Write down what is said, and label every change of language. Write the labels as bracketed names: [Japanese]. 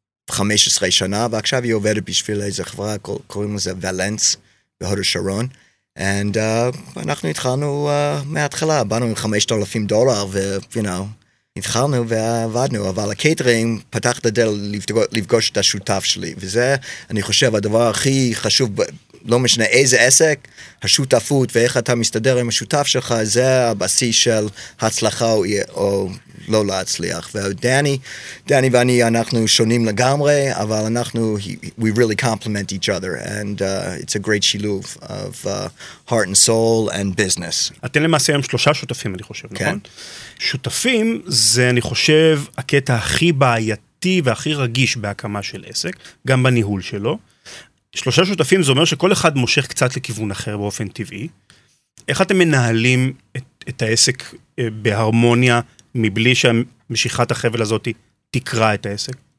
[Hebrew] 15 שנה, ועכשיו היא עובדת בשביל איזה חברה, קוראים לזה ולנס, בהוד השרון, and אנחנו התחלנו מההתחלה, באנו עם $5,000, התחלנו ועבדנו, אבל הקייטרינג פתח את הדל לפגוש את השותף שלי, וזה, אני חושב, הדבר הכי חשוב לא משנה איזה עסק, השותפות ואיך אתה מסתדר עם השותף שלך, זה הבסיס של הצלחה או לא להצליח. ודני ואני, אנחנו שונים לגמרי, אבל אנחנו, [English] we really complement each other, and it's a great שילוב of heart and soul and business. [Hebrew] אתם למעשה היום שלושה שותפים, אני חושב, כן? נכון? שותפים זה, אני חושב, הקטע הכי בעייתי והכי רגיש בהקמה של עסק, גם בניהול שלו. שלושה שותפים זה אומר שכל אחד מושך קצת לכיוון אחר באופן טבעי. איך אתם מנהלים את העסק בהרמוניה, מבלי שמשיכת החבל הזאת תקרא את העסק?